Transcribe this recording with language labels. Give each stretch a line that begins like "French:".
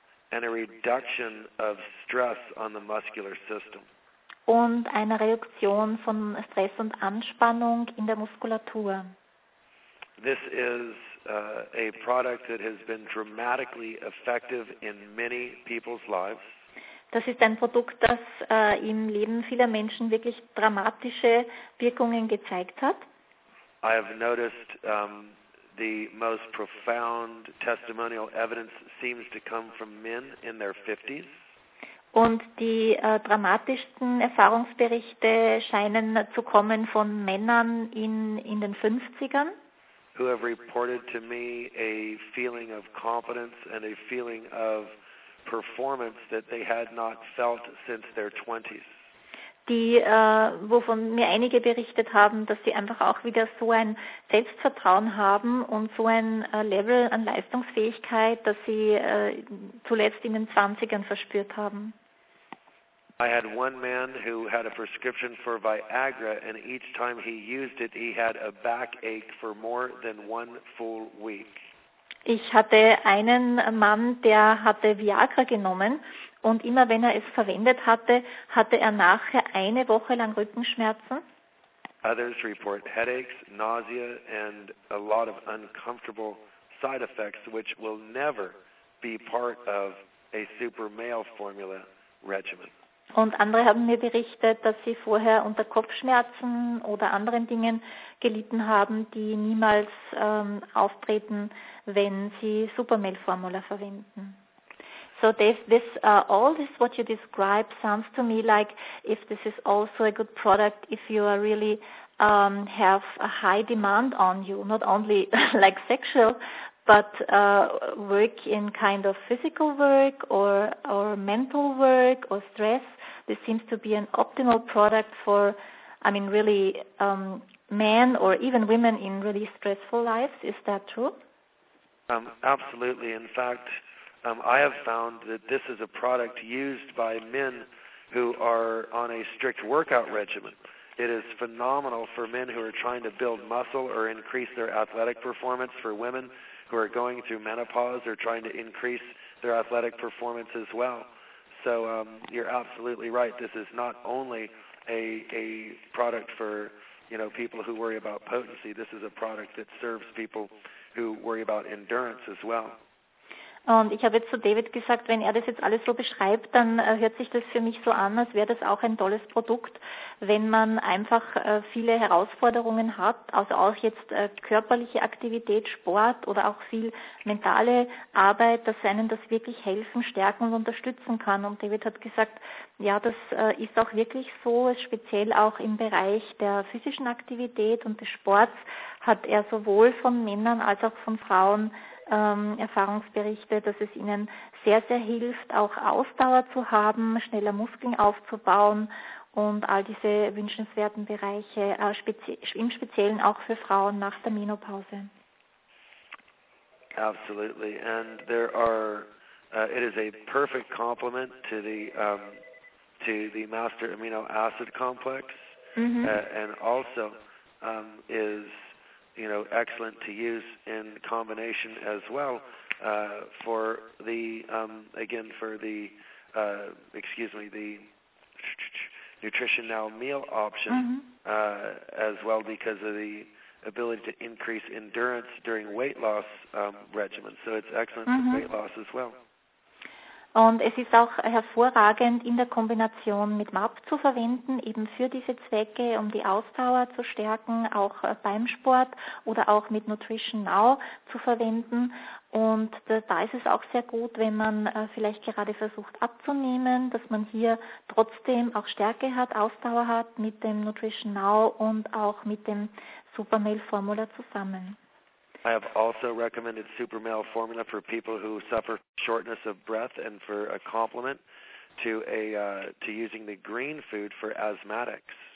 English: And a reduction of stress on the muscular system.
German: Und eine Reduktion von Stress und Anspannung in der Muskulatur.
English: This is a product that has been dramatically effective in many people's lives.
German: Das ist ein Produkt, das im Leben vieler Menschen wirklich dramatische Wirkungen gezeigt hat.
English: I have noticed the most profound testimonial evidence seems to come from men in their 50s.
German: Und die dramatischsten Erfahrungsberichte scheinen zu kommen von Männern in den 50ern.
English: Who have reported to me a feeling of confidence and a feeling of performance that they had not felt since their 20s.
German: Die, wovon mir einige berichtet haben, dass sie einfach auch wieder so ein Selbstvertrauen haben und so ein Level an Leistungsfähigkeit, dass sie zuletzt in den 20ern verspürt haben.
English: I had one man who had a prescription for Viagra and each time he used it, he had a backache for more than one full week.
German: Ich hatte einen Mann, der hatte Viagra genommen und immer wenn er es verwendet hatte, hatte er nachher eine Woche lang Rückenschmerzen.
English: Others report headaches, nausea and a lot of uncomfortable side effects which will never be part of a super male formula regimen.
German: Und andere haben mir berichtet, dass sie vorher unter Kopfschmerzen oder anderen Dingen gelitten haben, die niemals auftreten, wenn sie Supermail-Formula verwenden.
English: So this what you describe sounds to me like if this is also a good product if you are really have a high demand on you, not only like sexual, but work in kind of physical work or mental work or stress. This seems to be an optimal product for, I mean, really men or even women in really stressful lives. Is that true? Absolutely. In fact, I have found that this is a product used by men who are on a strict workout regimen. It is phenomenal for men who are trying to build muscle or increase their athletic performance, for women who are going through menopause or trying to increase their athletic performance as well. So you're absolutely right. This is not only a product for, you know, people who worry about potency. This is a product that serves people who worry about endurance as well.
German: Und ich habe jetzt zu David gesagt, wenn er das jetzt alles so beschreibt, dann hört sich das für mich so an, als wäre das auch ein tolles Produkt, wenn man einfach viele Herausforderungen hat, also auch jetzt körperliche Aktivität, Sport oder auch viel mentale Arbeit, dass einem das wirklich helfen, stärken und unterstützen kann. Und David hat gesagt, ja, das ist auch wirklich so, speziell auch im Bereich der physischen Aktivität und des Sports hat er sowohl von Männern als auch von Frauen Erfahrungsberichte, dass es ihnen sehr, sehr hilft, auch Ausdauer zu haben, schneller Muskeln aufzubauen und all diese wünschenswerten Bereiche, im Speziellen auch für Frauen nach der Menopause.
English: Absolutely. And there are, it is a perfect complement to the Master Amino Acid Complex. And also is, you know, excellent to use in combination as well for the, again, for the, excuse me, the Nutrition Now meal option as well, because of the ability to increase endurance during weight loss regimen. So it's excellent for weight loss as well.
German: Und es ist auch hervorragend in der Kombination mit MAP zu verwenden, eben für diese Zwecke, um die Ausdauer zu stärken, auch beim Sport oder auch mit Nutrition Now zu verwenden. Und da ist es auch sehr gut, wenn man vielleicht gerade versucht abzunehmen, dass man hier trotzdem auch Stärke hat, Ausdauer hat mit dem Nutrition Now und auch mit dem Supermeal Formula zusammen.
English: I have also recommended Supermeal Formula for people who suffer shortness of breath and for a complement to a to using the green food for asthmatics.